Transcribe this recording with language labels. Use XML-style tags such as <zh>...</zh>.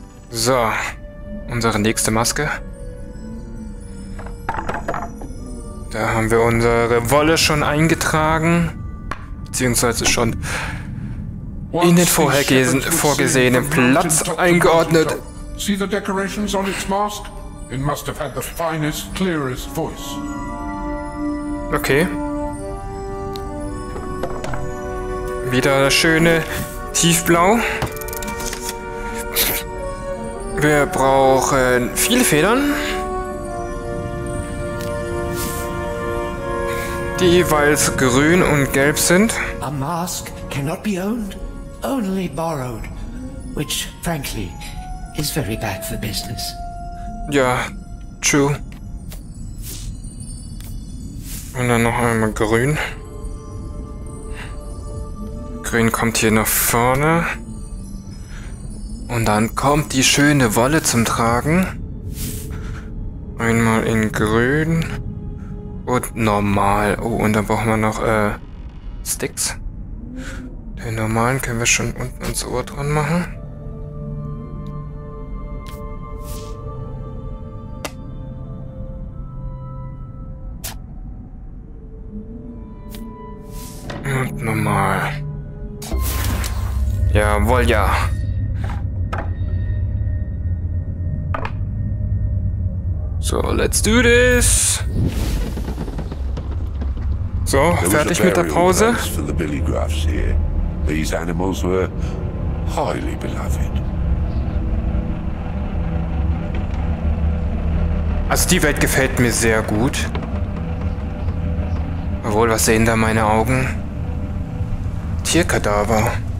<de>So. Unsere nächste Maske. Da haben wir unsere Wolle schon eingetragen. Beziehungsweise schon in den vorgesehenen Platz eingeordnet.</de> <en>See the decorations on its mask? It must have had the finest, clearest voice. Okay.</en> <de>Wieder das schöne Tiefblau. Wir brauchen viele Federn. Die jeweils grün und gelb sind.</de> <en>A mask cannot be owned, only borrowed. Which, frankly, is very bad for business.</en> <de>Ja,</de> <en>true.</en> <de>Und dann noch einmal grün. Grün kommt hier nach vorne. Und dann kommt die schöne Wolle zum Tragen. Einmal in grün. Und normal. Oh, und dann brauchen wir noch Sticks. Da Den normalen können wir schon unten ins Ohr dran machen. Und normal. Jawohl, ja.</de> <en>So, let's do this.</en> <de>So, fertig mit der Pause.</de> <en>For the Billy Graffs here. These animals were highly beloved.</en> <de>Also die Welt gefällt mir sehr gut. Obwohl, was sehen da meine Augen? Tierkadaver.</de>